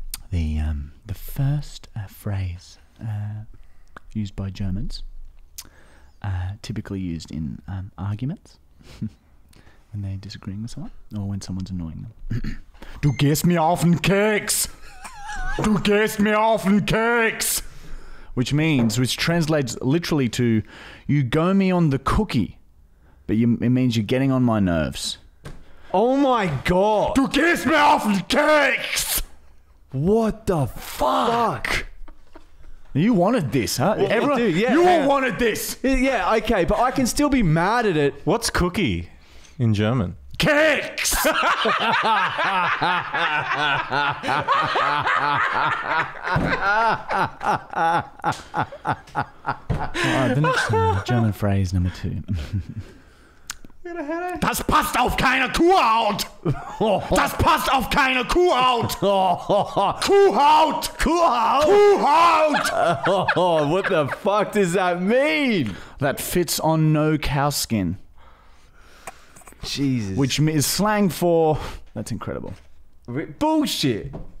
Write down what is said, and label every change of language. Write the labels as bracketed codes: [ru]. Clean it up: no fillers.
[en] The first phrase used by Germans, typically used in arguments when they're disagreeing with someone or when someone's annoying them. [de] Du gehst mir auf den Keks! Du gehst mir auf den Keks! [en] Which translates literally to, you go me on the cookie, but it means you're getting on my nerves. Oh my God! [de] Du gehst mir auf den Keks! [en] What the fuck? You wanted this, huh? Well, everyone, dude, yeah, you all wanted this. Yeah, okay, but I can still be mad at it. What's cookie in German? [de] Keks! [en] All right, the next one, German phrase number two. [de] Das passt auf keine Kuhhaut! Das passt auf keine Kuhhaut! Kuhhaut! Kuhhaut! Kuhhaut! [en] What the fuck does that mean? That fits on no cow skin. Jesus. Which is slang for... That's incredible. Bullshit!